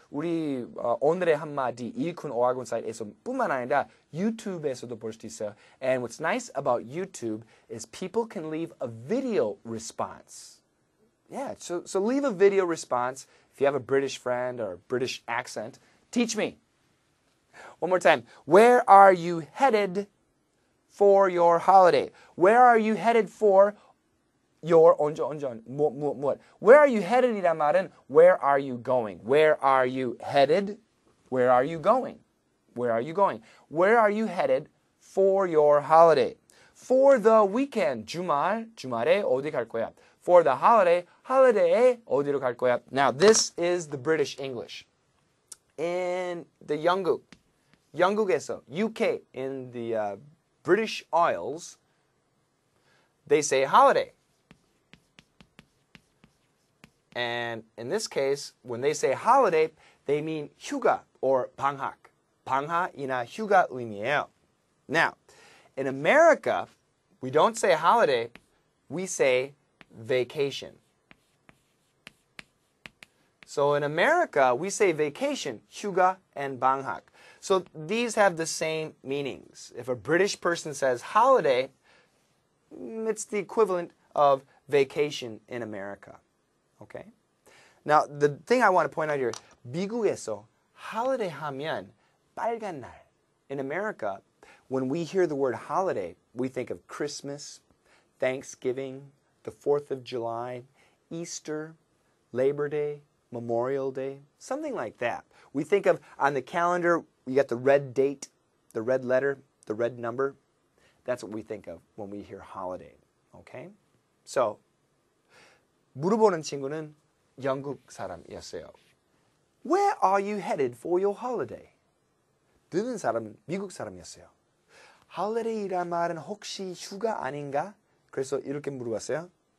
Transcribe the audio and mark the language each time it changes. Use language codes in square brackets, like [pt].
[ko] 우리 오늘의 한마디 이익훈 어학원 사이트에서뿐만 아니라 유튜브에서도 볼 수 있어요. [en] And what's nice about YouTube is people can leave a video response. Yeah, so leave a video response. If you have a British friend or British accent, teach me. One more time. Where are you headed for your holiday? Where are you headed for your [ko] 언제 언제 뭐 [en] Where are you headed이란 말은 Where are you going? Where are you headed? Where are you going? Where are you going? Where are you headed for your holiday? For the weekend [ko] 주말 주말에 어디 갈 거야? [en] For the holiday [ko] 할리데이에 어디로 갈 거야? [en] Now this is the British English in the 영국. 영국에서, UK, in the British Isles, they say holiday. And in this case, when they say holiday, they mean 휴가 or 방학. [ko] 방학이나 휴가 의미예요. [en] Now, in America, we don't say holiday, we say vacation. So in America, we say vacation, 휴가, and 방학. So these have the same meanings. If a British person says holiday, it's the equivalent of vacation in America. Okay? Now, the thing I want to point out here, [ko] 미국에서 holiday 하면 빨간 날. [en] In America, when we hear the word holiday, we think of Christmas, Thanksgiving, the 4th of July, Easter, Labor Day, Memorial Day, something like that. We think of, on the calendar, you got the red date, the red letter, the red number. That's what we think of when we hear holiday, okay? [ko] So, 물어보는 친구는 영국 사람이었어요. [en] Where are you headed for your holiday? [ko] 듣는 사람은 미국 사람이었어요. Holiday란 말은 혹시 휴가 아닌가? 그래서 이렇게 물어봤어요.